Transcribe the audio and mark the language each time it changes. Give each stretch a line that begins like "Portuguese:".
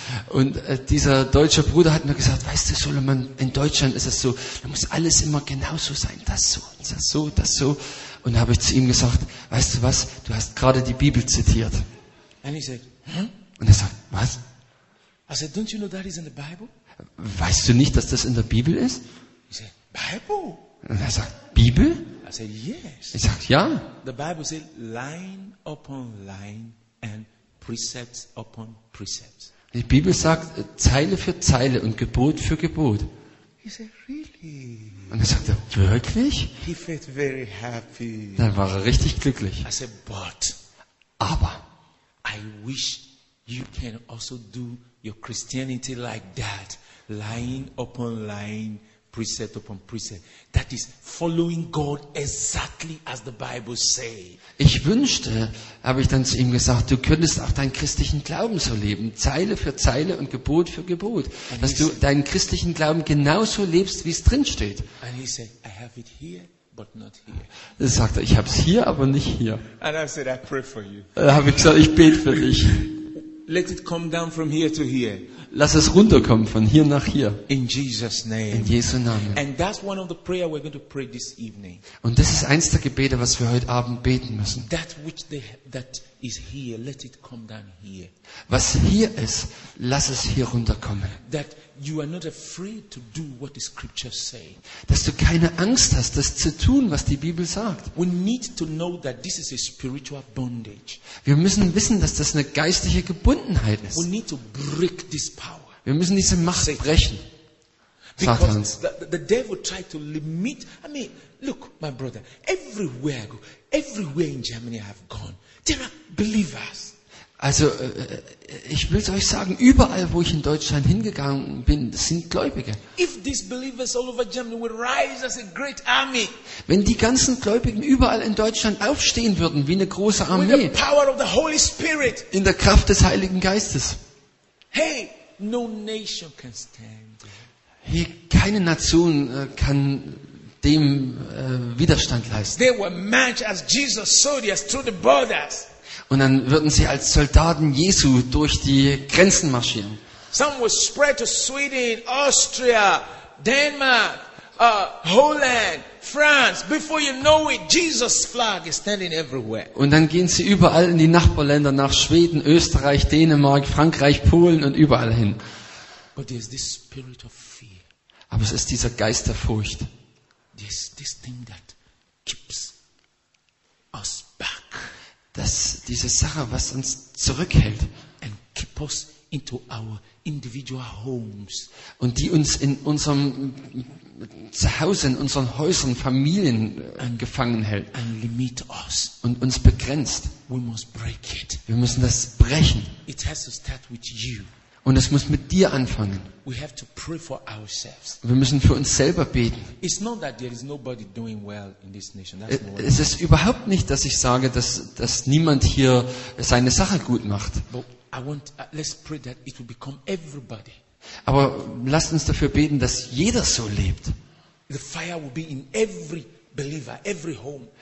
German: Und dieser deutsche Bruder hat mir gesagt, weißt du, Solomon, in Deutschland ist es so, da muss alles immer genauso sein, das so. Und habe ich zu ihm gesagt, weißt du was, du hast gerade die Bibel zitiert.
English: And he said,
German: Und er sagt, was?
English: I said, don't you know that is in the Bible?
German: Weißt du nicht, dass das in der Bibel ist?
English: He said, Bible?
German: Und er sagt, Bibel?
English: I said, yes.
German: Ich sage, ja.
English: The Bible said, line upon line and precepts upon precepts.
German: Die Bibel sagt, Zeile für Zeile und Gebot für Gebot.
English: He said, really?
German: Und er sagte, wirklich?
English: He felt very happy.
German: Dann war er richtig glücklich.
English: I said, but,
German: aber,
English: I wish you can also do your Christianity like that, line upon line, precept upon precept. That is following God exactly as the Bible says.
German: Ich wünschte, habe ich dann zu ihm gesagt, du könntest auch deinen christlichen Glauben so leben, Zeile für Zeile und Gebot für Gebot, dass du deinen christlichen Glauben genauso lebst, wie es drin steht.
English: And he said, I have it here, but not here.
German: Er sagte, ich habe es hier, aber nicht hier.
English: And I said, I pray for you.
German: Da habe ich gesagt, ich bete für dich.
English: Let it come down from here to here.
German: Lass es runterkommen von hier nach hier.
English: In Jesus name.
German: In Jesu Namen.
English: And that's one of the prayer we're going to pray this evening.
German: Und das ist eins der Gebete, was wir heute Abend beten müssen.
English: That which that is here, let it come down here.
German: Was hier ist, lass es hier runterkommen.
English: That you are not afraid to do what the scriptures say.
German: Dass du keine Angst hast, das zu tun, was die Bibel sagt.
English: We need to know that this is a spiritual bondage.
German: Wir müssen wissen, dass das eine geistliche Gebundenheit ist.
English: We need to break this power.
German: Wir müssen diese Macht brechen.
English: Because the devil tried to limit. I mean, look, my brother, everywhere I go, everywhere in Germany I have gone, there are believers.
German: Also, ich will es euch sagen, überall, wo ich in Deutschland hingegangen bin, sind Gläubige.
English: If these believers all over Germany would rise as a great army.
German: Wenn die ganzen Gläubigen überall in Deutschland aufstehen würden, wie eine große Armee.
English: With the power of the Holy Spirit.
German: In der Kraft des Heiligen Geistes.
English: Hey, no nation can stand.
German: Hey, keine Nation kann dem Widerstand leisten.
English: They were matched as Jesus sold us through the borders.
German: Und dann würden sie als Soldaten Jesu durch die Grenzen marschieren.
English: Some would spread to Sweden, Austria, Denmark, Holland, France. Before you know it, Jesus' flag is standing everywhere.
German: Und dann gehen sie überall in die Nachbarländer, nach Schweden, Österreich, Dänemark, Frankreich, Polen und überall hin.
English: But there's this spirit of fear.
German: Aber es ist dieser Geist der Furcht.
English: This thing that keeps us back.
German: Dass diese Sache, was uns zurückhält,
English: and keep us into our individual homes.
German: Und die uns in unserem Zuhause, in unseren Häusern, Familien
English: and,
German: gefangen hält
English: and limit us.
German: Und uns begrenzt.
English: We must break it.
German: Wir müssen das brechen.
English: It has to start with you.
German: Und es muss mit dir anfangen.
English: We have to pray for ourselves.
German: Wir müssen für uns selber beten.
English: It's not that there is nobody doing well in this nation. That's not
German: what. Es ist überhaupt nicht, dass ich sage, dass niemand hier seine Sache gut macht.
English: But I want, let's pray that it will become everybody.
German: Aber lasst uns dafür beten, dass jeder so lebt.
English: The fire will be in every believer, every home.